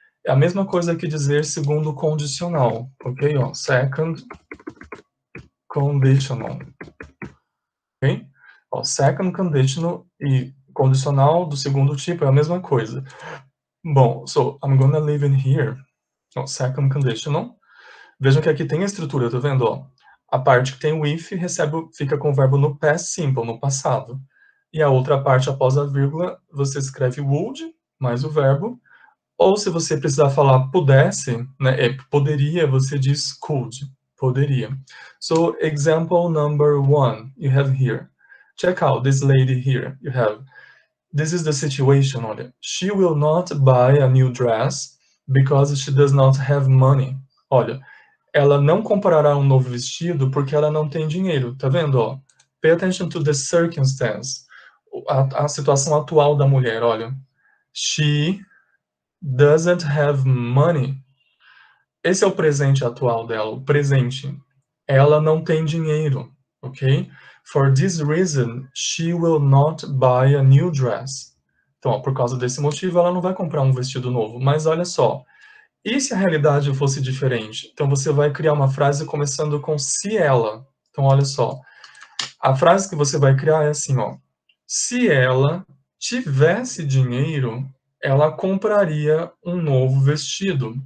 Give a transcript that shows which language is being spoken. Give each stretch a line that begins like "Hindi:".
Portuguese: É a mesma coisa que dizer segundo condicional, ok?
English: Second conditional, ok?
Portuguese: Second conditional e condicional do segundo tipo é a mesma coisa.
English: Bom, so I'm gonna leave it here, second conditional.
Portuguese: Vejam que aqui tem a estrutura, tá vendo? A parte que tem o if recebe, fica com o verbo no past simple, no passado. E a outra parte, após a vírgula, você escreve would mais o verbo. Ou se você precisar falar pudesse, né, poderia, você diz could, poderia.
English: So, example number one, you have here. Check out this lady here, you have. This is the situation, olha. She will not buy a new dress because she does not have money.
Portuguese: Olha, ela não comprará um novo vestido porque ela não tem dinheiro, tá vendo? Ó?
English: Pay attention to the circumstance.
Portuguese: A situação atual da mulher, olha.
English: She doesn't have money.
Portuguese: Esse é o presente atual dela, o presente. Ela não tem dinheiro, ok?
English: For this reason, she will not buy a new dress.
Portuguese: Então, ó, por causa desse motivo, ela não vai comprar um vestido novo. Mas olha só, e se a realidade fosse diferente? Então, você vai criar uma frase começando com se ela. Então, olha só, a frase que você vai criar é assim, ó. Se ela tivesse dinheiro, ela compraria um novo vestido.